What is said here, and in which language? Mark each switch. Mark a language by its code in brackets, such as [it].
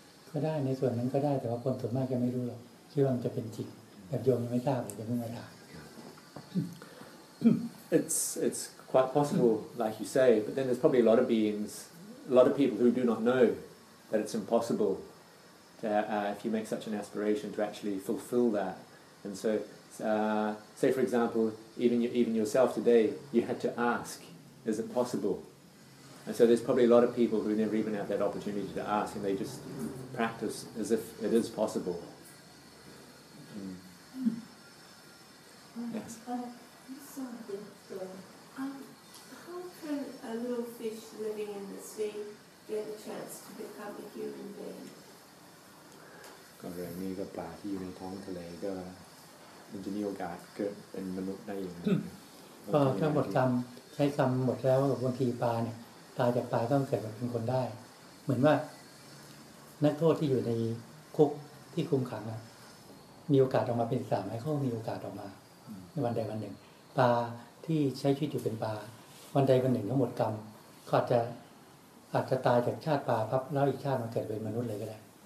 [th] ก็ได้ในส่วนนั้นก็ได้แต่ว่าคนส่วนมากแกไม่รู้หรอกคิดว่ามันจะเป็นจริงแต่โยมยังไม่ทราบเลยจะเพิ่งมาได้ [en] it's quite possible like you say but then there's probably a lot of people who do not know that it's impossible to if you make such an aspiration to actually fulfill that and soSay for example, even yourself today, you had to ask, is it possible? And so there's probably a lot of people who never even had that opportunity to ask, and they just practice as if it is possible. Yes. How can a little fish living in the sea get a chance to become a human being? [th] ก็เรื่องนี้ก็ปลาที่อยู่ในท้องทะเลก็มันจะมีโอกาสเกิดเป็นมนุษย์ได้อย่าง ก็ถ้าหมดกรรมใช้กรรมหมดแล้วบางทีปลาเนี่ยตายจากปลาต้องเกิดเป็นคนได้เหมือนว่านักโทษที่อยู่ในคุกที่คุมขังมีโอกาสออกมาเป็นสามให้เขามีโอกาสออกมาในวันใดวันหนึ่งปลาที่ใช้ชีวิตอยู่เป็นปลาวันใดวันหนึ่งเขาหมดกรรมก็อาจจะตายจากชาติปลาพับแล้วอีกชาติมันเกิดเป็นมนุษย์เลยก็ได้